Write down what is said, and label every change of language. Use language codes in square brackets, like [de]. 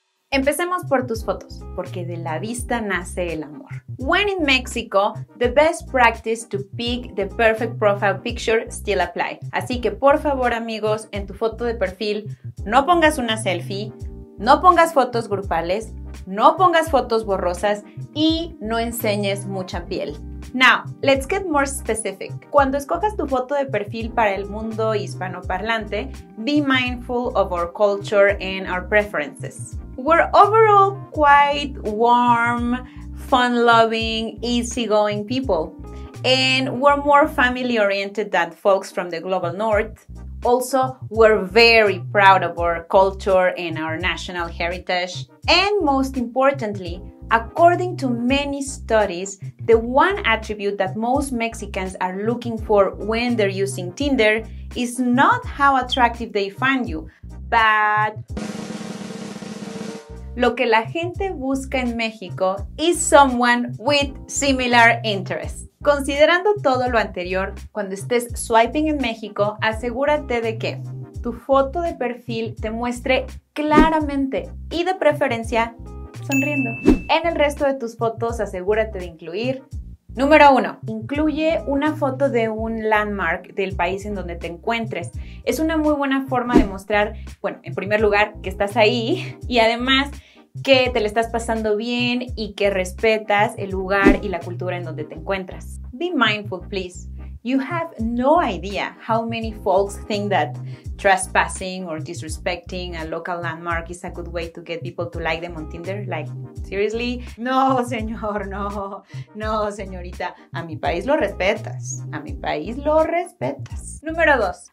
[es] Empecemos por tus fotos, porque de la vista nace el amor. [en] When in Mexico, the best practice to pick the perfect profile picture still apply. [es] Así que por favor, amigos, en tu foto de perfil no pongas una selfie, no pongas fotos grupales, no pongas fotos borrosas y no enseñes mucha piel. [en] Now, let's get more specific. [es] Cuando escojas tu foto de perfil para el mundo hispanoparlante, [en] be mindful of our culture and our preferences. We're overall quite warm, fun-loving, easygoing people. And we're more family-oriented than folks from the global north. Also, we're very proud of our culture and our national heritage. And most importantly, according to many studies, the one attribute that most Mexicans are looking for when they're using Tinder is not how attractive they find you, but [es] lo que la gente busca en México [en] is someone with similar interests. [es] Considerando todo lo anterior, cuando estés swiping en México, asegúrate de que tu foto de perfil te muestre claramente y de preferencia sonriendo. En el resto de tus fotos, asegúrate de incluir. Número 1. Incluye una foto de un landmark del país en donde te encuentres. Es una muy buena forma de mostrar, bueno, en primer lugar, que estás ahí y además que te le estás pasando bien y que respetas el lugar y la cultura en donde te encuentras. [en] Be mindful, please. You have no idea how many folks think that trespassing or disrespecting a local landmark is a good way to get people to like them on Tinder. Like, seriously? [es] No, señor, no. No, señorita. A mi país lo respetas. A mi país lo respetas. Número 2.